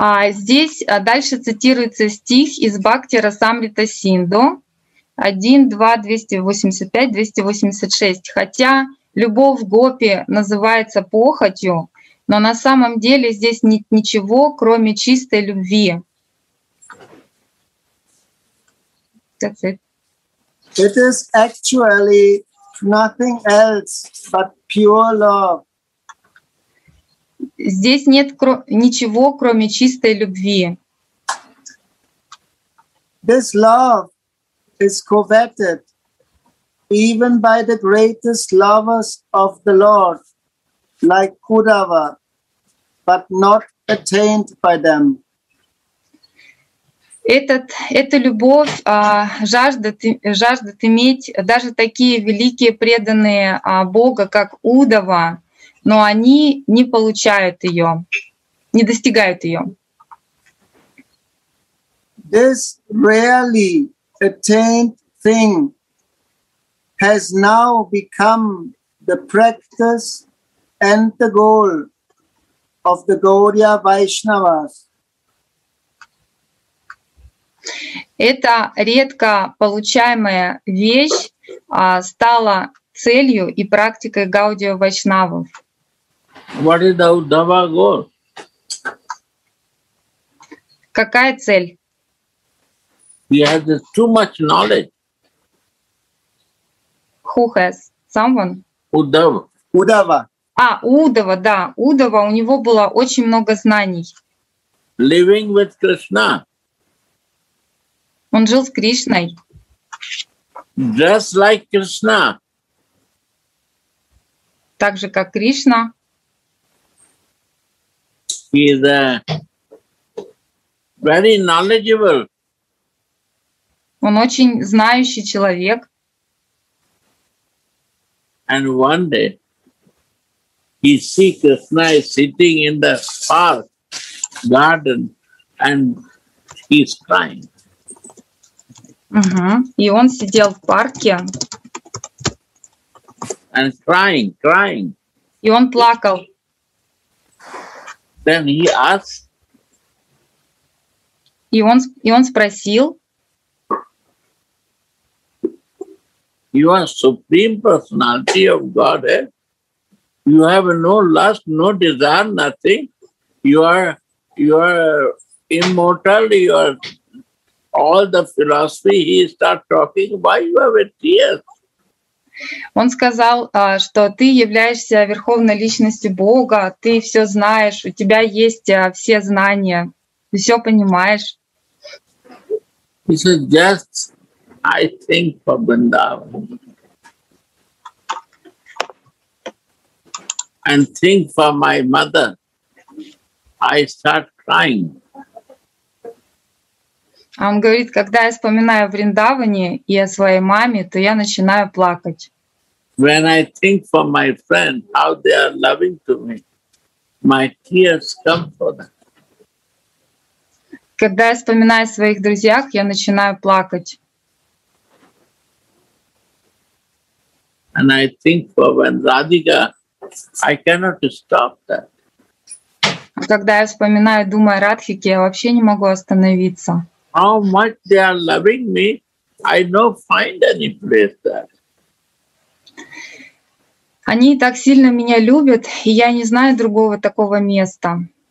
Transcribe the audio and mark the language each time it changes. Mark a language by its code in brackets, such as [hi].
[ru] Здесь дальше цитируется стих из Бхактира Самрита Синду 1.2.285-286. Хотя любовь гопи называется похотью, но на самом деле здесь нет ничего, кроме чистой любви. [en] That's it. It is actually nothing else but pure love. [ru] здесь нет ничего, кроме чистой любви. [en] This love is coveted even by the greatest lovers of the Lord, like Kaurava, but not attained by them. [ru] Эта любовь жаждет иметь даже такие великие преданные Бога, как Удава, но они не получают ее, не достигают ее. [en] This rarely attained thing has now become the practice and the goal of the Gaudiya Vaishnavas. [ru] Эта редко получаемая вещь стала целью и практикой Гаудия Вайшнавов. [en] What is the Uddhava goal? [ru] Какая цель? [en] He has too much knowledge. Who has? Someone? Uddhava. Uddhava. [ru] А, Uddhava, да. Uddhava, у него было очень много знаний. [en] Living with Krishna. [ru] Он жил с Кришной. [en] Just like Krishna. [ru] Так же, как Кришна. [en] He is very knowledgeable. [ru] Он очень знающий человек. [en] And one day he see Krishna is sitting in the park garden and he's crying. [ru] И он сидел в парке. [en] And crying, crying. [ru] И он плакал. [en] Then he asked. [ru] И он спросил. [en] You are supreme personality of God, eh? You have no lust, no desire, nothing. You are immortal, you are all the philosophy he start talking, why you have tears? [ru] Он сказал, что ты являешься верховной личностью Бога, ты все знаешь, у тебя есть все знания, ты все понимаешь. [en] He said, just I think for Vrindavan. And think for my mother. I start crying. [ru] А он говорит, когда я вспоминаю о Вриндаване и о своей маме, то я начинаю плакать. [en] When I think for my friend, how they are loving to me, my tears come for them. [ru] Когда я вспоминаю о своих друзьях, я начинаю плакать. [en] And I think for when Radhika, I cannot stop that. [ru] Когда я вспоминаю, думаю о Радхике, я вообще не могу остановиться. [en] How much they are loving me, I don't find any place there. [ru] Они так сильно меня любят, и я не знаю другого такого места.